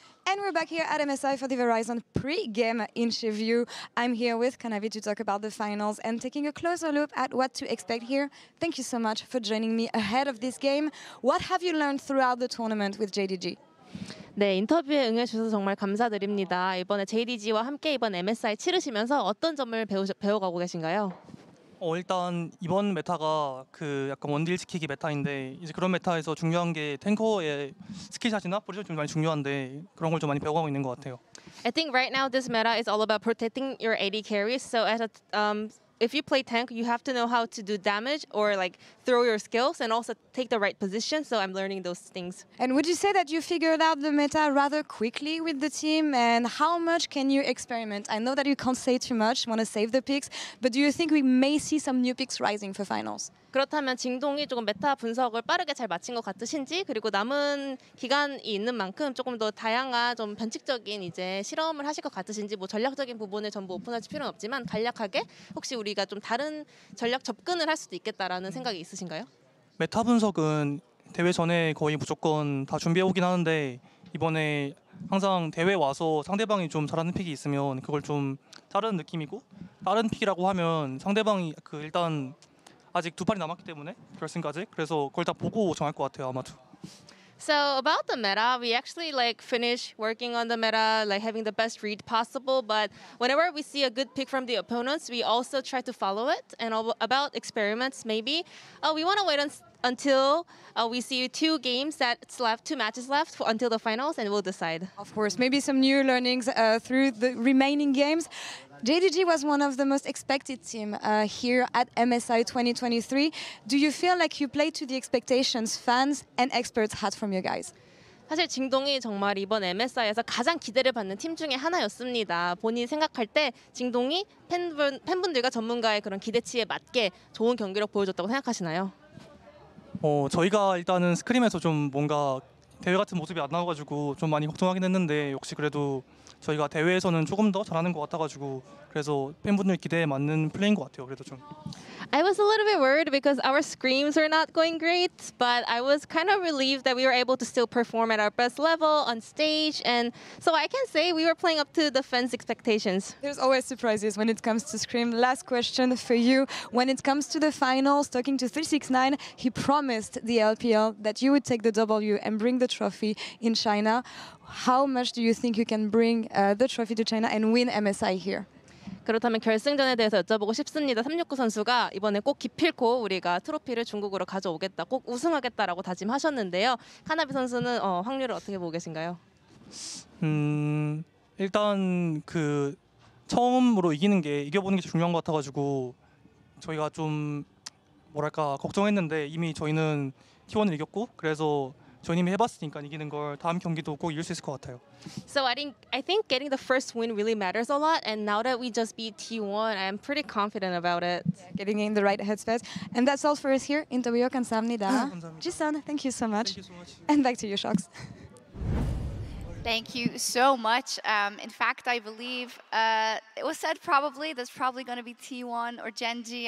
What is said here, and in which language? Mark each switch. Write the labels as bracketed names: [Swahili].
[English] And we're back here at MSI for the Verizon pre-game interview. I'm here with Kanavi to talk about the finals and taking a closer look at what to expect here. Thank you so much for joining me ahead of this game. What have you learned throughout the tournament with JDG? [Korean] 네, 인터뷰에 응해주셔서 정말 감사드립니다. 이번에 JDG와 함께 이번 MSI 치르시면서 어떤 점을 배워가고 계신가요? 일단 이번 메타가 그 약간 원딜 지키기 메타인데 이제 그런 메타에서 중요한 게 탱커의 스킬샷이나 포지션이 좀 많이 중요한데 그런 걸 좀 많이 배워가고 있는 것 같아요. [English] I think right now this meta is all about protecting your AD carries. So as a, if you play tank, you have to know how to do damage or like throw your skills and also take the right position. So I'm learning those things. And would you say that you figured out the meta rather quickly with the team? And how much can you experiment? I know that you can't say too much, want to save the picks, but do you think we may see some new picks rising for finals? [Korean] 그렇다면 징동이 조금 메타 분석을 빠르게 잘 마친 것 같으신지 그리고 남은 기간이 있는 만큼 조금 더 다양한 좀 변칙적인 이제 실험을 하실 것 같으신지 뭐 전략적인 부분을 전부 오픈하실 필요는 없지만 간략하게 혹시 우리가 좀 다른 전략 접근을 할 수도 있겠다라는 생각이 있으신가요? 메타 분석은 대회 전에 거의 무조건 다 준비해 오긴 하는데 이번에 항상 대회 와서 상대방이 좀 잘하는 픽이 있으면 그걸 좀 다른 느낌이고 다른 픽이라고 하면 상대방이 그 일단 아직 두 판이 남았기 때문에 결승까지 그래서 그걸 다 보고 정할 것 같아요 아마도. [English] So about the meta, we actually like finished working on the meta, like having the best read possible. But whenever we see a good pick from the opponents, we also try to follow it. And about experiments, maybe we want to wait until we see two games that's left, two matches left for, until the finals, and we'll decide. Of course, maybe some new learnings through the remaining games. JDG was one of the most expected team here at MSI 2023. Do you feel like you played to the expectations fans and experts had from you guys? [Korean] 사실 징동이 정말 이번 MSI에서 가장 기대를 받는 팀 중에 하나였습니다. 본인이 생각할 때 징동이 팬분들과 전문가의 그런 기대치에 맞게 좋은 경기력 보여줬다고 생각하시나요? 저희가 일단은 스크림에서 좀 뭔가 대회 같은 모습이 안 나와가지고 좀 많이 걱정하긴 했는데 역시 그래도 저희가 대회에서는 조금 더 잘하는 것 같아가지고 그래서 팬분들 기대에 맞는 플레이인 것 같아요. 그래도 좀. [English] I was a little bit worried because our screams were not going great, but I was kind of relieved that we were able to still perform at our best level on stage, and so I can say we were playing up to the fans' expectations. There's always surprises when it comes to scream. Last question for you. When it comes to the finals, talking to 369, he promised the LPL that you would take the W and bring the trophy in China. How much do you think you can bring the trophy to China and win MSI here? [Korean] 그렇다면 결승전에 대해서 여쭤보고 싶습니다. 369 선수가 이번에 꼭 기필코 우리가 트로피를 중국으로 가져오겠다, 꼭 우승하겠다라고 다짐하셨는데요. 카나비 선수는 확률을 어떻게 보고 계신가요? 일단 그 처음으로 이기는 게 이겨보는 게 중요한 것 같아가지고 저희가 좀 뭐랄까 걱정했는데 이미 저희는 T1을 이겼고 그래서 저희님이 해봤으니까 이기는 걸 다음 경기도 꼭 이길 수 있을 것 같아요. [English] So I think getting the first win really matters a lot. And now that we just beat T1, I'm pretty confident about it. Yeah, getting in the right headspace. And that's all for us here. [Korean] 인터뷰 감사합니다. [English] 지선, thank you so much. And back to you, Shox. Thank you so much. In fact, I believe it was said probably there's probably going to be T1 or Genji.